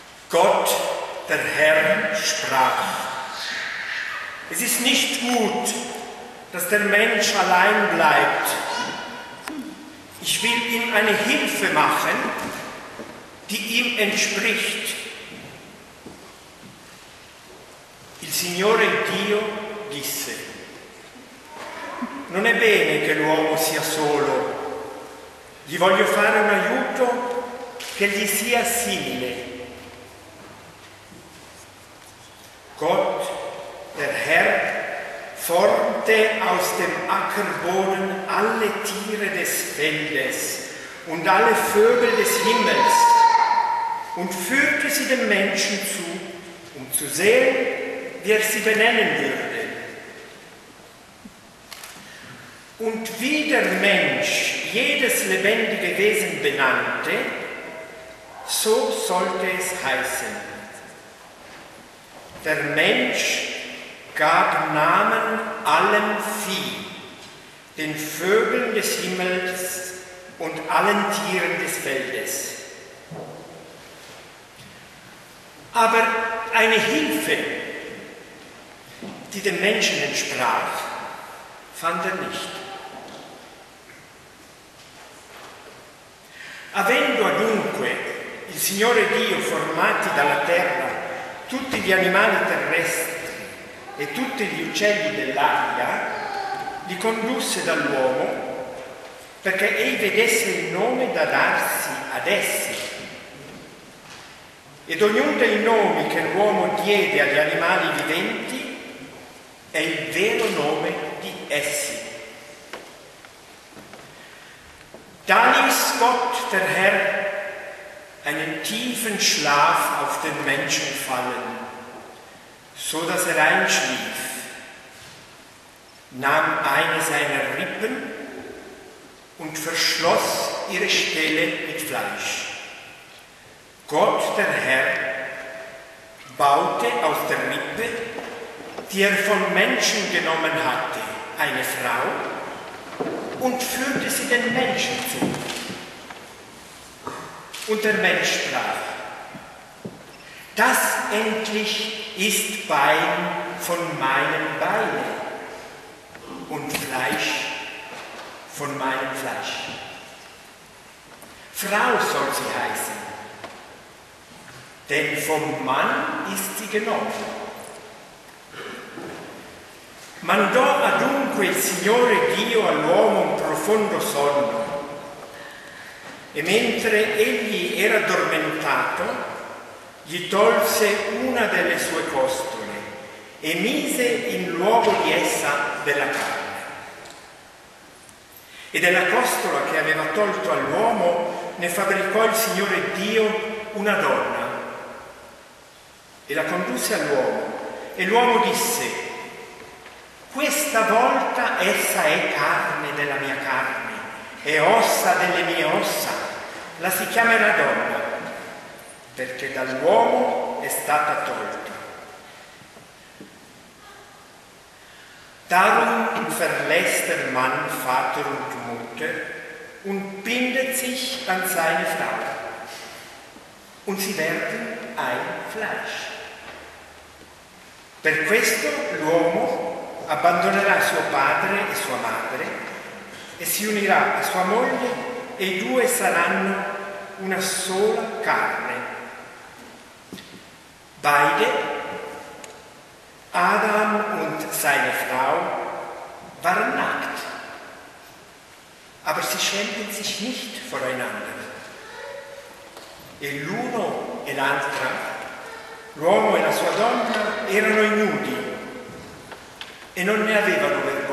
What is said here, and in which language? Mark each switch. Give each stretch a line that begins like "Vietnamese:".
German: Gott, der Herr, sprach: Es ist nicht gut, dass der Mensch allein bleibt. Ich will ihm eine Hilfe machen, die ihm entspricht.
Italian: Il Signore Dio disse: Non è bene che l'uomo sia solo. Gli voglio fare un aiuto che gli sia simile.
German: Gott, der Herr, formte aus dem Ackerboden alle Tiere des Feldes und alle Vögel des Himmels und führte sie dem Menschen zu, um zu sehen, wie er sie benennen würde. Und wie der Mensch jedes lebendige Wesen benannte, so sollte es heißen. Der Mensch gab Namen allem Vieh, den Vögeln des Himmels und allen Tieren des Feldes. Aber eine Hilfe, die dem Menschen entsprach, fand er nicht.
Italian: Avendo adunque il Signore Dio formati dalla terra tutti gli animali terrestri e tutti gli uccelli dell'aria, li condusse dall'uomo perché egli vedesse il nome da darsi ad essi. Ed ognuno dei nomi che l'uomo diede agli animali viventi è il vero nome di essi.
German: Da ließ Gott der Herr einen tiefen Schlaf auf den Menschen fallen, so dass er einschlief, nahm eine seiner Rippen und verschloss ihre Stelle mit Fleisch. Gott der Herr baute aus der Rippe, die er von Menschen genommen hatte, eine Frau und führte sie den Menschen zu. Und der Mensch sprach: Das endlich ist Bein von meinem Beine und Fleisch von meinem Fleisch. Frau soll sie heißen, denn vom Mann ist sie genommen.
Italian: Mandò adunque il Signore Dio all'uomo un profondo sonno, e mentre egli era addormentato, gli tolse una delle sue costole e mise in luogo di essa della carne. E della costola che aveva tolto all'uomo ne fabbricò il Signore Dio una donna e la condusse all'uomo. E l'uomo disse: Questa volta essa è carne della mia carne e ossa delle mie ossa. La si chiamerà donna, perché dall'uomo è stata tolta.
German: Darum verlässt der Mann Vater und Mutter und bindet sich an seine Frau. Und sie werden ein Fleisch.
Italian: Per questo l'uomo abbandonerà suo padre e sua madre e si unirà a sua moglie e i due saranno una sola carne.
German: Beide, Adam und seine Frau, waren nackt, aber sie schämten sich nicht voreinander.
Italian: E l'uno e l'altra, l'uomo e la sua donna, erano ignudi e non ne avevano vergogna.